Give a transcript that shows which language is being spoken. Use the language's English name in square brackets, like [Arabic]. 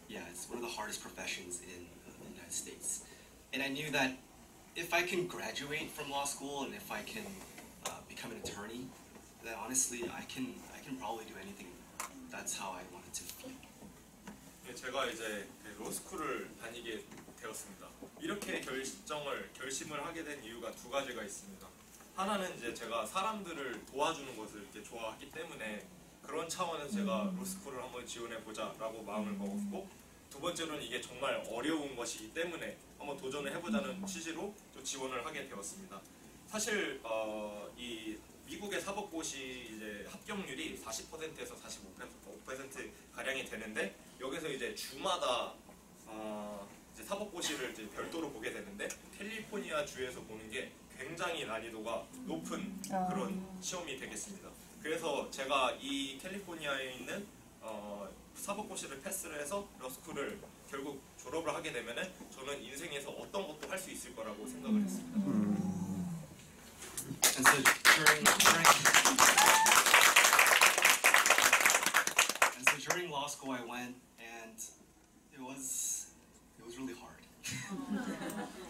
[English] It's one of the hardest professions in the United States. And I knew that if I can graduate from law school and if I can become an attorney, then honestly, I can probably do anything. That's how I wanted to feel. [Korean] 제가 이제 로스쿨을 다니게 되었습니다. 이렇게 결심을 하게 된 이유가 두 가지가 있습니다. 하나는 이제 제가 사람들을 도와주는 것을 이렇게 좋아하기 때문에 그런 차원에서 제가 로스쿨을 한번 지원해보자 라고 마음을 먹었고, 두 번째로는 이게 정말 어려운 것이기 때문에 한번 도전을 해보자는 취지로 좀 지원을 하게 되었습니다. 사실 이 미국의 사법고시 이제 합격률이 40%에서 45% 가량이 되는데, 여기서 이제 주마다 이제 사법고시를 이제 별도로 보게 되는데, 캘리포니아 주에서 보는 게 굉장히 난이도가 높은 그런 시험이 되겠습니다. 그래서 제가 이 캘리포니아에 있는 사법고시를 패스를 해서 로스쿨을 결국 졸업을 하게 되면은 저는 인생에서 어떤 것도 할 수 있을 거라고 생각을 했습니다. [English] And so during law school I went, and it was really hard.